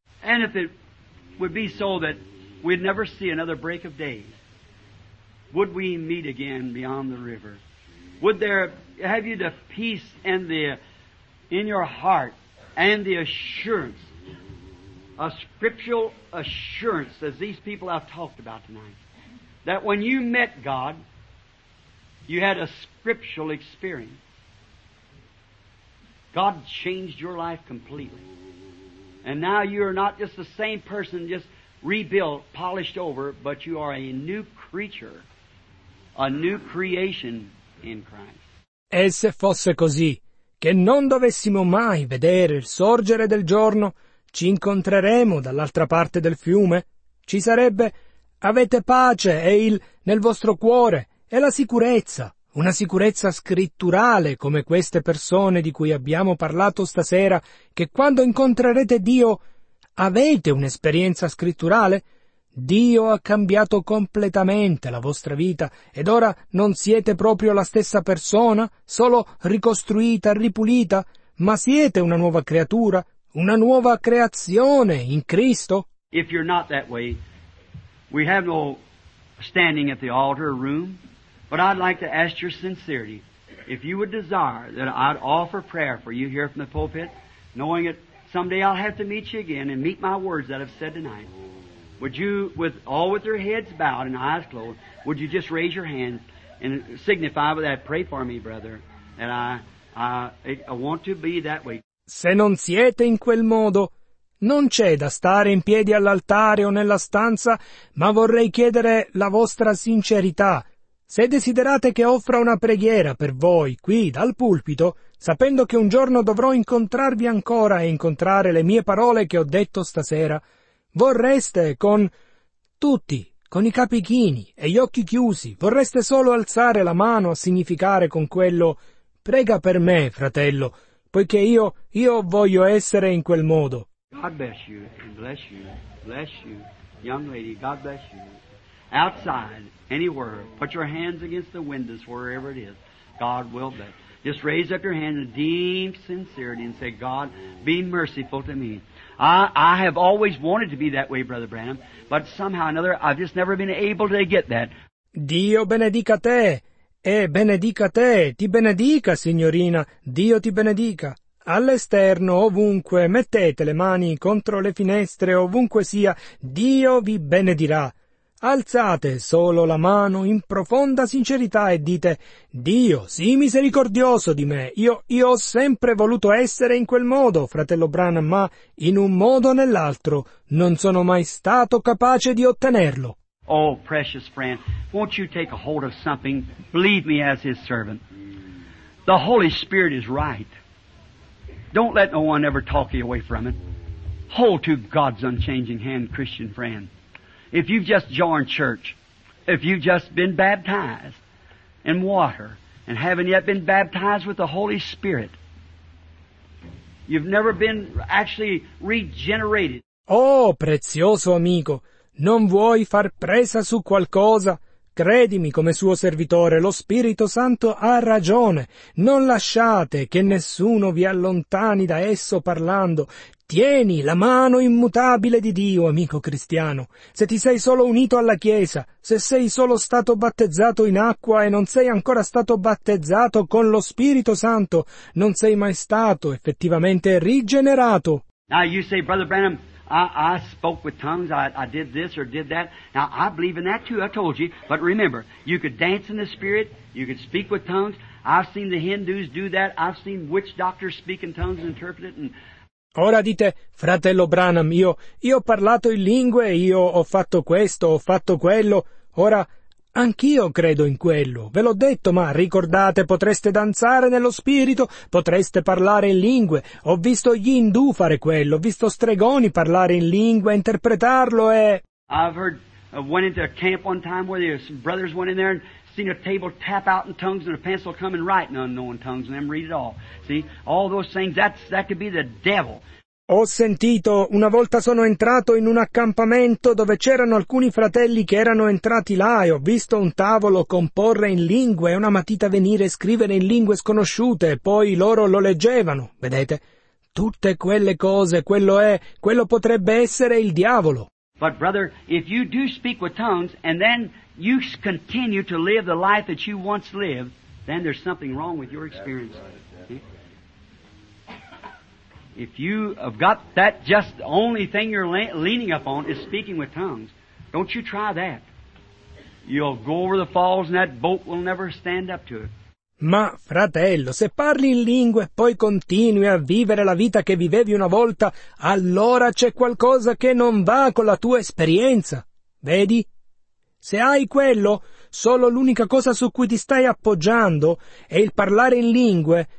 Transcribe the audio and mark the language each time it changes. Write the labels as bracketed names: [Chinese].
[English] And if it would be so that we'd never see another break of day, would we meet again beyond the river? Would there have you the peace and the in your heart and the assurance? A scriptural assurance, as these people I've talked about tonight, that when you met God, you had a scriptural experience. God changed your life completely. And now you are not just the same person, just rebuilt, polished over, but you are a new creature, a new creation in Christ. [Italian] E se fosse così, che non dovessimo mai vedere il sorgere del giorno, ci incontreremo dall'altra parte del fiume? Ci sarebbe, avete pace e il nel vostro cuore e la sicurezza, una sicurezza scritturale come queste persone di cui abbiamo parlato stasera, che quando incontrerete Dio avete un'esperienza scritturale? Dio ha cambiato completamente la vostra vita ed ora non siete proprio la stessa persona, solo ricostruita, ripulita, ma siete una nuova creatura. una nuova creazione in Cristo? [English] If you're not that way, we have no standing at the altar room, but I'd like to ask your sincerity. If you would desire that I'd offer prayer for you here from the pulpit, knowing that someday I'll have to meet you again and meet my words that I've said tonight, would you, with all with your heads bowed and eyes closed, would you just raise your hand and signify with that, pray for me, brother, that I want to be that way. [Italian] Se non siete in quel modo, non c'è da stare in piedi all'altare o nella stanza, ma vorrei chiedere la vostra sincerità. Se desiderate che offra una preghiera per voi, qui, dal pulpito, sapendo che un giorno dovrò incontrarvi ancora e incontrare le mie parole che ho detto stasera, vorreste con tutti, con i capi chini e gli occhi chiusi, vorreste solo alzare la mano a significare con quello «prega per me, fratello», poiché io voglio essere in quel modo. [English] God bless you and bless you, young lady, God bless you. Outside, anywhere, put your hands against the windows, wherever it is, God will bless. Just raise up your hand in deep sincerity and say, God, be merciful to me. I have always wanted to be that way, Brother Branham, but somehow or another, I've just never been able to get that. [Italian] Dio benedica te. E benedica te, ti benedica, signorina, Dio ti benedica. All'esterno, ovunque, mettete le mani contro le finestre, ovunque sia, Dio vi benedirà. Alzate solo la mano in profonda sincerità e dite, Dio, sii misericordioso di me, io ho sempre voluto essere in quel modo, fratello Branham, ma in un modo o nell'altro non sono mai stato capace di ottenerlo. [English] Oh, precious friend, won't you take a hold of something? Believe me, as his servant. The Holy Spirit is right. Don't let no one ever talk you away from it. Hold to God's unchanging hand, Christian friend. If you've just joined church, if you've just been baptized in water and haven't yet been baptized with the Holy Spirit, you've never been actually regenerated. [Italian] Oh, prezioso amico! Non vuoi far presa su qualcosa? Credimi, come suo servitore, lo Spirito Santo ha ragione. Non lasciate che nessuno vi allontani da esso parlando. Tieni la mano immutabile di Dio, amico cristiano. Se ti sei solo unito alla Chiesa, se sei solo stato battezzato in acqua e non sei ancora stato battezzato con lo Spirito Santo, non sei mai stato effettivamente rigenerato. [English] Now you say, Brother Branham, I spoke with tongues, I did this or did that. Now, I believe in that too, I told you. But remember, you could dance in the Spirit, you could speak with tongues. I've seen the Hindus do that, I've seen witch doctors speak in tongues and interpret it. And... [Italian] Ora dite, fratello Branham, io ho parlato in lingue, io ho fatto questo, ho fatto quello. Ora, anch'io credo in quello. Ve l'ho detto, ma ricordate, potreste danzare nello spirito, potreste parlare in lingue. Ho visto gli Hindu fare quello, ho visto stregoni parlare in lingue, interpretarlo e... [English] I've heard, went into a camp one time where there were some brothers went in there and seen a table tap out in tongues and a pencil come and write in unknown tongues and them read it all. See, all those things, that could be the devil. [Italian] Ho sentito, una volta sono entrato in un accampamento dove c'erano alcuni fratelli che erano entrati là e ho visto un tavolo comporre in lingue e una matita venire e scrivere in lingue sconosciute e poi loro lo leggevano, vedete? Tutte quelle cose, quello potrebbe essere il diavolo. [English] But brother, if you do speak with tongues and then you continue to live the life that you once lived, then there's something wrong with your experience. If you have got that, just the only thing you're leaning up on is speaking with tongues, don't you try that. You'll go over the falls and that boat will never stand up to it. [Italian] Ma, fratello, se parli in lingue e poi continui a vivere la vita che vivevi una volta, allora c'è qualcosa che non va con la tua esperienza. Vedi? Se hai quello, solo l'unica cosa su cui ti stai appoggiando è il parlare in lingue.